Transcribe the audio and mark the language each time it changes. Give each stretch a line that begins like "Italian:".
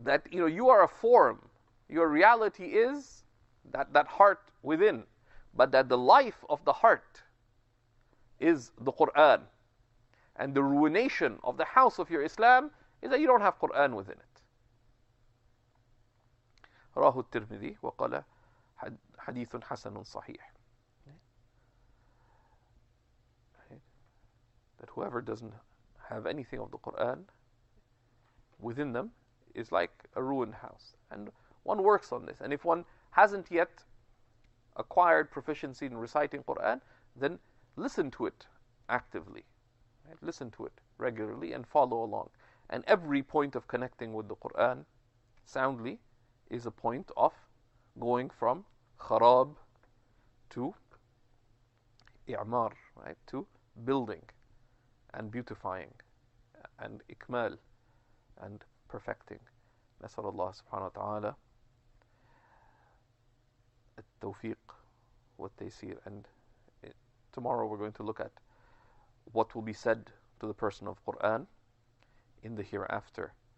English: You are a form. Your reality is that heart within, but that the life of the heart is the Quran. And the ruination of the house of your Islam is that you don't have Quran within it.
Arabic: رواه الترمذي وقال حديث حسن صحيح.
English: That whoever doesn't have anything of the Quran within them is like a ruined house. And one works on this. And if one hasn't yet acquired proficiency in reciting Quran, then listen to it actively. Right? Listen to it regularly and follow along. And every point of connecting with the Quran soundly is a point of going from kharab to i'mar, right? To building and beautifying and ikmal and perfecting.
Arabic: نسأل الله سبحانه وتعالى التوفيق والتيسير.
English: And tomorrow we're going to look at what will be said to the person of Quran in the hereafter.